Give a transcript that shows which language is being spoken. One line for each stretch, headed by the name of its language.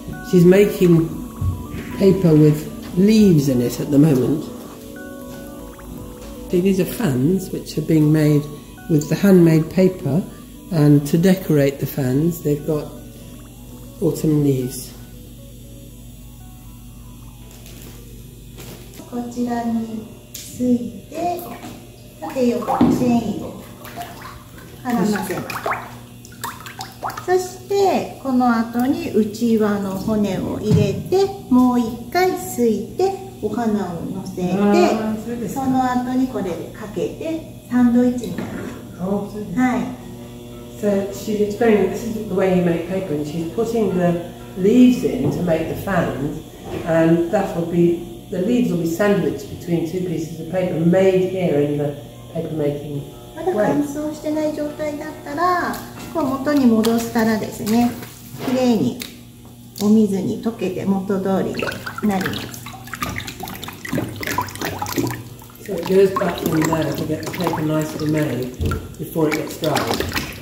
English: She's making paper with leaves in it at the moment. See, these are fans which are being made with the handmade paper, and to decorate the fans they've got autumn leaves.
Japanese: こちらに吸いて、縦横チェーンを絡ませ。そしてこの後に内輪の骨を入れて、もう一回吸いてお花を乗せて、その後にこれでかけてサンドイッチみたいな。はい。
English: So she's explaining this is the way you make paper, and she's putting the leaves in to make the fans, and that will be the leaves will be sandwiched between two pieces of paper made here in the paper making. So it goes back in there to get the paper nicely made before it gets dry.